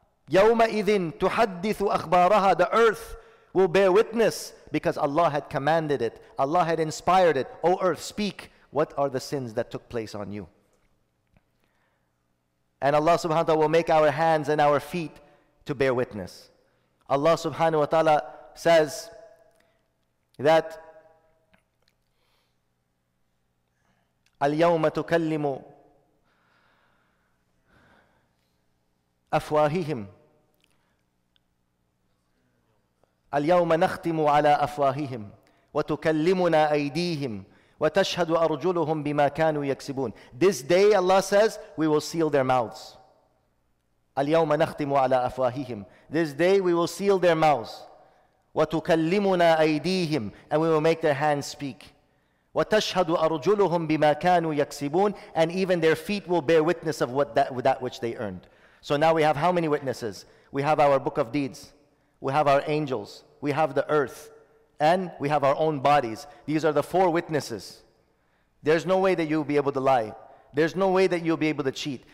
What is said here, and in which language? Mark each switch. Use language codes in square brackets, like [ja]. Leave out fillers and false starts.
[ar] يَوْمَئِذٍ تُحَدِّثُ أَخْبَارَهَا. [en] The earth will bear witness because Allah had commanded it. Allah had inspired it. O earth, speak. What are the sins that took place on you? And Allah subhanahu wa ta'ala will make our hands and our feet to bear witness. Allah subhanahu wa ta'ala says that [ar] اليوم تكلم أفواههم اليوم نختم على أفواههم وتكلمنا أيديهم وتشهد أرجلهم بما كانوا يكسبون. [en] This day, Allah says, we will seal their mouths. [ar] اليوم نختم على أفواههم. [en] This day we will seal their mouths. [ar] وتكلمنا أيديهم. [en] And we will make their hands speak. [ar] وتشهد أرجلهم بما كانوا يكسبون. [en] And even their feet will bear witness of that which they earned. So now we have how many witnesses? We have our book of deeds. We have our angels. We have the earth. And we have our own bodies. These are the four witnesses. There's no way that you'll be able to lie. There's no way that you'll be able to cheat.